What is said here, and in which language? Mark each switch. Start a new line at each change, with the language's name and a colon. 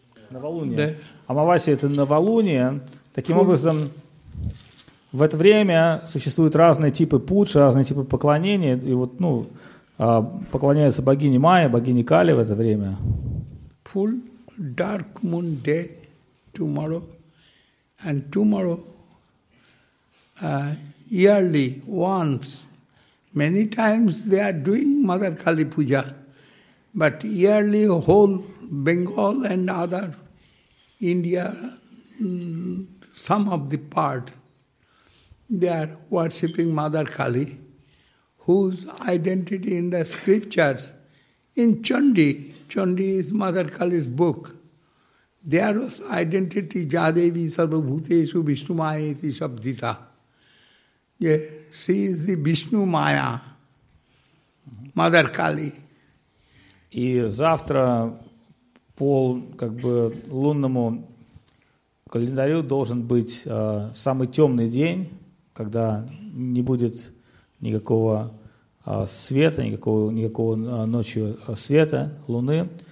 Russian: Новолуние. Да. Амавасия – это новолуние. Таким образом… В это время существуют разные типы пуджи, разные типы поклонения. И вот, ну, поклоняются богине Майе, богине Кали в это время.
English: Full dark moon day tomorrow. And tomorrow, yearly, once, many times they are doing Mother Kali Puja. But yearly, whole Bengal and other India, some of the part, they are worshipping Mother Kali, whose identity in the scriptures, in Chandi, Chandi is Mother Kali's book, there was identity,
Sanskrit: Jadevi Sarvabhuteshu Vishnu Maya Iti Shabdita.
English: Yeah, she is the Vishnu Maya, Mother Kali.
Russian: И завтра по как бы лунному календарю должен быть самый темный день, когда не будет никакого света, никакого ночью света, луны.